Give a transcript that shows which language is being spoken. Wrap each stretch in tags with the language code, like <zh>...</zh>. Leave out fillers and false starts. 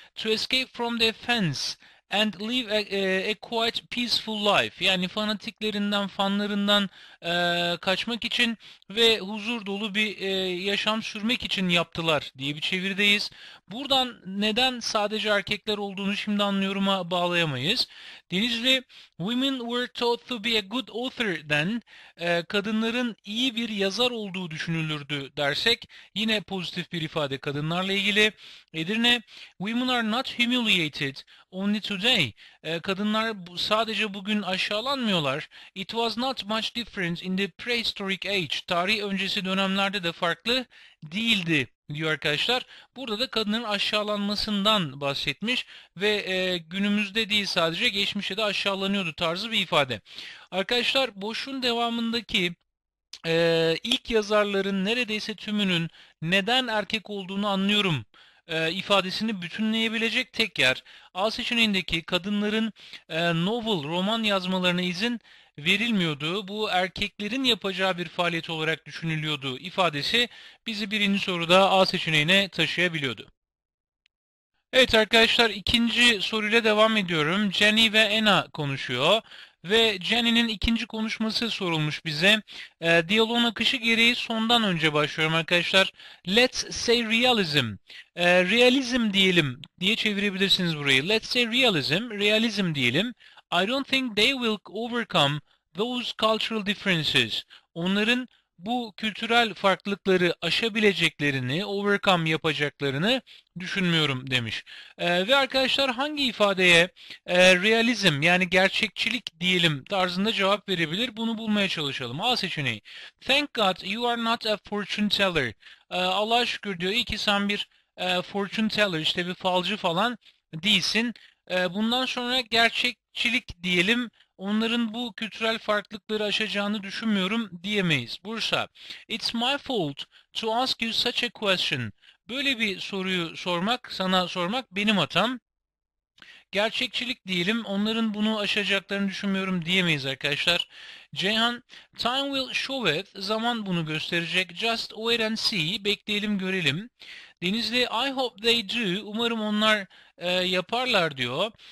<en>To escape from the fence and live a quite peaceful life.</en> <tr>Yani fanatiklerinden, fanlarından kaçmak için ve huzur dolu bir yaşam sürmek için yaptılar diye bir çevirdeyiz. Buradan neden sadece erkekler olduğunu şimdi anlıyorum'a bağlayamayız.</tr> <en>Denizli, women were thought to be a good author then.</en> <tr>Kadınların iyi bir yazar olduğu düşünülürdü dersek, yine pozitif bir ifade kadınlarla ilgili.</tr> <en>Edirne, women are not humiliated only to today.</en> <tr>Kadınlar sadece bugün aşağılanmıyorlar.</tr> <en>It was not much different in the prehistoric age.</en> <tr>Tarih öncesi dönemlerde de farklı değildi diyor arkadaşlar. Burada da kadının aşağılanmasından bahsetmiş ve günümüzde değil, sadece geçmişte de aşağılanıyordu tarzı bir ifade. Arkadaşlar boşluğun devamındaki ilk yazarların neredeyse tümünün neden erkek olduğunu anlıyorum ifadesini bütünleyebilecek tek yer A seçeneğindeki kadınların novel, roman yazmalarına izin verilmiyordu. Bu erkeklerin yapacağı bir faaliyet olarak düşünülüyordu ifadesi bizi birinci soruda A seçeneğine taşıyabiliyordu. Evet arkadaşlar, ikinci soruyla devam ediyorum. Jenny ve Anna konuşuyor. Ve Jenny'nin ikinci konuşması sorulmuş bize. Diyaloğun akışı gereği sondan önce başlıyorum arkadaşlar.</tr> <en>Let's say realism.</en> <tr>Realism diyelim diye çevirebilirsiniz burayı.</tr> <en>Let's say realism, realism diyelim. I don't think they will overcome those cultural differences.</en> <tr>Onların bu kültürel farklılıkları aşabileceklerini, overcome yapacaklarını düşünmüyorum demiş. Ve arkadaşlar hangi ifadeye realizm, yani gerçekçilik diyelim tarzında cevap verebilir? Bunu bulmaya çalışalım. A seçeneği.</tr> <en>Thank God you are not a fortune teller.</en> <tr>Allah'a şükür diyor, iyi ki sen bir fortune teller, işte bir falcı falan değilsin. Bundan sonra gerçekçilik diyelim. Onların bu kültürel farklılıkları aşacağını düşünmüyorum diyemeyiz.</tr> <en>Bursa, it's my fault to ask you such a question.</en> <tr>Böyle bir soruyu sormak, sana sormak benim hatam. Gerçekçilik diyelim, onların bunu aşacaklarını düşünmüyorum diyemeyiz arkadaşlar.</tr> <en>Ceyhan, time will show it,</en> <tr>zaman bunu gösterecek.</tr> <en>Just wait and see,</en> <tr>bekleyelim görelim.</tr> <en>Denizli, I hope they do,</en> <tr>umarım onlar yaparlar diyor.</tr>